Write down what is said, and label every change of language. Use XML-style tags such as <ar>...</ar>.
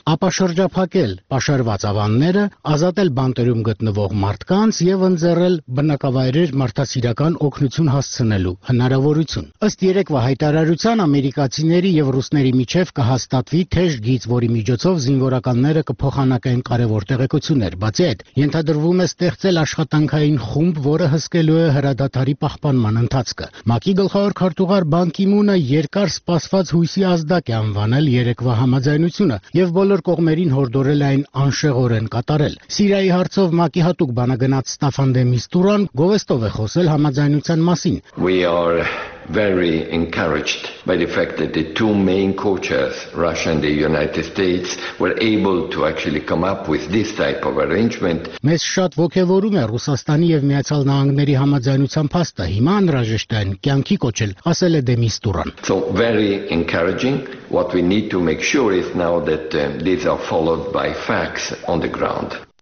<hy>ապա շրջափակել պաշարված ավանները, ազատել բանտերում գտնվող մարդկանց և ընձեռել բնակավայրեր մարդասիրական օգնություն հասցնելու հնարավորություն։ Ըստ երեկվա հայտարարության ամերիկացիների և ռուսների միջև կհաստատվի թեժ գիծ, որի միջոցով զինվորականները կփոխանակեն կարևոր տեղեկություններ։ Բացի այդ, ենթադրվում է ստեղծել աշխատանքային խումբ, որը հսկելու է հրադադարի պահպանման ընթացքը։ ՄԱԿ-ի գլխավոր քարտուղար Բան Կի-մունը երկար սպասված հույսի ազդակ է անվանել երեկվա համաձայնությունը և բոլոր կողմերին հորդորել այն անշեղորեն կատարել։ Սիրիայի հարցով ՄԱԿ-ի հատուկ բանագնաց Ստաֆան դե Միստուրան գովեստով է խոսել համաձայնության մասին։</hy> <en>We are very encouraged by the fact that the two main co-chairs, Russia and the United States, were able to actually come up with this type of arrangement.</en> <hy>Մեզ շատ ոգևորում է Ռուսաստանի և Միացյալ Նահանգների համաձայնության փաստը հիմա անհրաժեշտ է կյանքի կոչել, ասել է դե Միստուրան։</hy> <en>So very encouraging. What we need to make sure is now that these are followed by facts on the ground.</en>